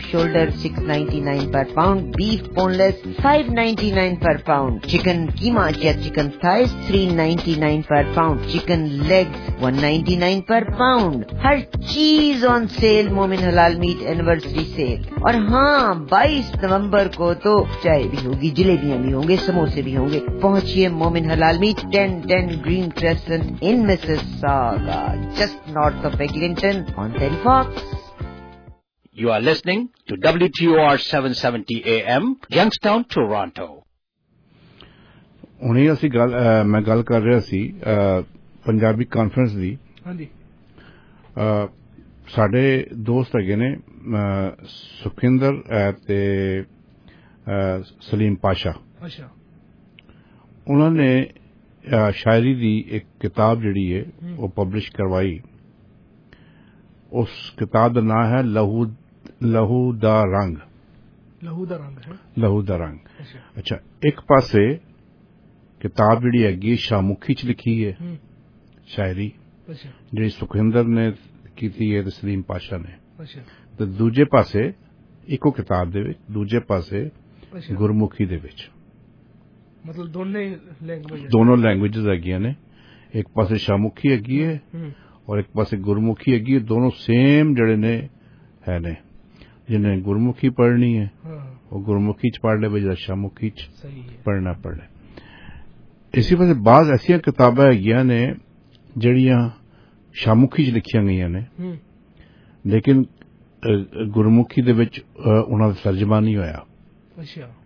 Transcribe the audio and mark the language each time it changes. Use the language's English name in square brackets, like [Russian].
[Urdu] Shoulder 699 per pound beef bone لیس 599 per pound chicken کیما یا chicken thighs 399 per pound chicken legs 199 per pound ہر چیز آن cell مومن حلال meat anniversary cell اور ہاں 22 نومبر کو تو چائے بھی ہوگی جلیبیاں بھی ہوں گے سموسے بھی ہوں گے پہنچیے مومن حلال meat 1010 [English] Green Crescent in Mississauga, just north of Eglinton on Terry Fox. You are listening to WTOR 770 AM, Youngstown, Toronto. [Punjabi] Unhi assi gal main gal kar reha si Punjabi conference di. Haan ji. Sade dost hage ne Sukhinder te Saleem Pasha. Pasha. Unhone شاعری دی ایک کتاب جڑی ہے وہ publish کروائی اس کتاب کا نام ہے لہو دا رنگ اچھا ایک پاسے کتاب جڑی ہے شاہ مکھی چ لکھی ہے شاعری جڑی سکھیندر نے کی تھی سلیم پاشا نے ਤੇ ਦੂਜੇ ਪਾਸੇ ਇੱਕੋ ਕਿਤਾਬ ਦੇ ਵਿੱਚ ਦੂਜੇ ਪਾਸੇ ਗੁਰਮੁਖੀ ਦੇ ਵਿੱਚ ਮਤਲਬ ਦੋਨੇ ਦੋਨੋਂ ਲੈਂਗੁਏਜਸ ਹੈਗੀਆਂ ਨੇ ਇੱਕ ਪਾਸੇ ਸ਼ਾਮੁਖੀ ਹੈਗੀ ਹੈ ਔਰ ਇੱਕ ਪਾਸੇ ਗੁਰਮੁਖੀ ਹੈਗੀ ਹੈ ਦੋਨੋਂ ਸੇਮ ਜਿਹੜੇ ਨੇ ਹੈ ਨੇ ਜਿਹਨੇ ਗੁਰਮੁਖੀ ਪੜ੍ਹਨੀ ਹੈ ਉਹ ਗੁਰਮੁਖੀ ਚ ਪੜ੍ਹ ਲਵੇ ਜਾਂ ਸ਼ਾਮੁਖੀ ਚ ਪੜ੍ਹਨਾ ਪੜ੍ਹੇ ਇਸੇ ਪਾਸੇ ਬਾਅਦ ਐਸੀਆਂ ਕਿਤਾਬਾਂ ਹੈਗੀਆਂ ਨੇ ਜਿਹੜੀਆਂ ਸ਼ਾਮੁਖੀ ਚ ਲਿਖੀਆਂ ਗਈਆਂ ਨੇ ਲੇਕਿਨ ਗੁਰਮੁਖੀ ਦੇ ਵਿਚ ਉਨ੍ਹਾਂ ਦਾ ਤਰਜਮਾ ਨਹੀਂ ਹੋਇਆ